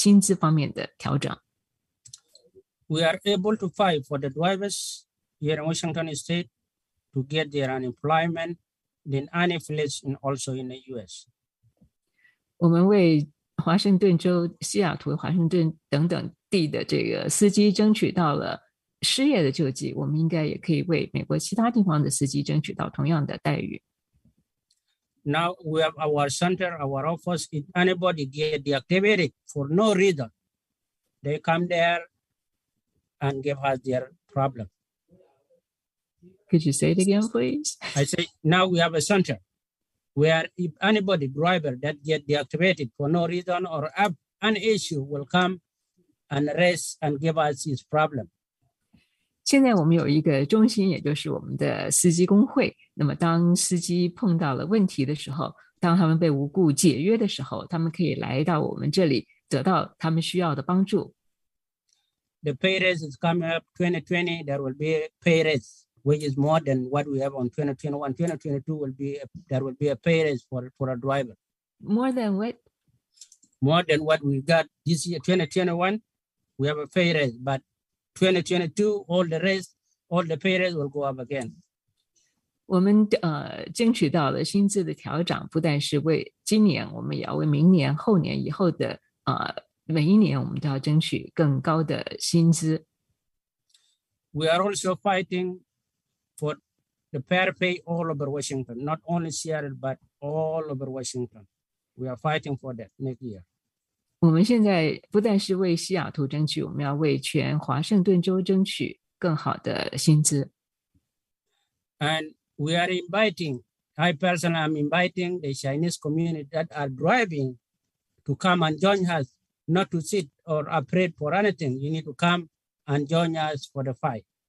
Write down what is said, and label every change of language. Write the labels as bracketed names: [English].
[Chinese] 当我们可以为西雅图地区争取到了加薪，就是薪资调整，那我们应该也可以在美国的其他地方争取到同样的，为司机争取到同样的薪资方面的调整。 [English] We are able to fight for the drivers here in Washington State to get their unemployment in any village and also in the US. [Chinese] 我们为华盛顿州、西雅图、华盛顿等等地的这个司机争取到了失业的救济，我们应该也可以为美国其他地方的司机争取到同样的待遇。 [English] Now we have our center, our office. If anybody get deactivated for no reason, they come there and give us their problem. Could you say it again, please? I say now we have a center where if anybody driver that get deactivated for no reason or have an issue will come and raise and give us his problem. [Chinese] 现在我们有一个中心，也就是我们的司机工会。那么当司机碰到了问题的时候，当他们被无故解约的时候，他们可以来到我们这里，得到他们需要的帮助。 [English] The pay raise is coming up 2020. There will be a pay raise, which is more than what we have on 2021. 2022 will be a pay raise for a driver. More than what? More than what we got this year, 2021. We have a pay raise, but 2022, all the pay raise will go up again. [Chinese] 我们争取到了薪资的调整，不但是为今年，我们也要为明年、后年、以后的每一年，我们都要争取更高的薪资。 [English] We are also fighting for the fair pay all over Washington, not only Seattle but all over Washington. We are fighting for that next year. [Chinese] 我们现在不但是为西雅图争取，我们要为全华盛顿州争取更好的薪资。 [English] And we are inviting, I personally am inviting the Chinese community that are driving to come and join us, not to sit or afraid for anything. You need to come and join us for the fight.